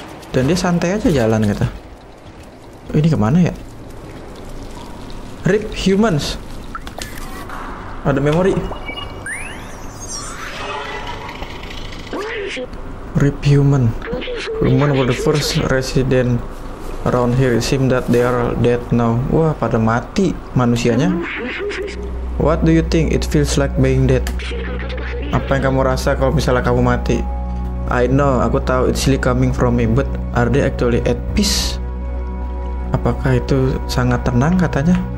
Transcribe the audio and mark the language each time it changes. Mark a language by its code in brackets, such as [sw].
[id] Dan dia santai aja jalan gitu. Ini kemana ya? [en] Rip humans. [id] Ada memory. [en] Rip human. Human were the first resident around here. It seems that they are dead now. [id] Wah, pada mati manusianya. [en] What do you think it feels like being dead? [id] Apa yang kamu rasa kalau misalnya kamu mati? [en] I know, [id] aku tahu [en] it's really coming from me, but are they actually at peace? [id] Apakah itu sangat tenang katanya?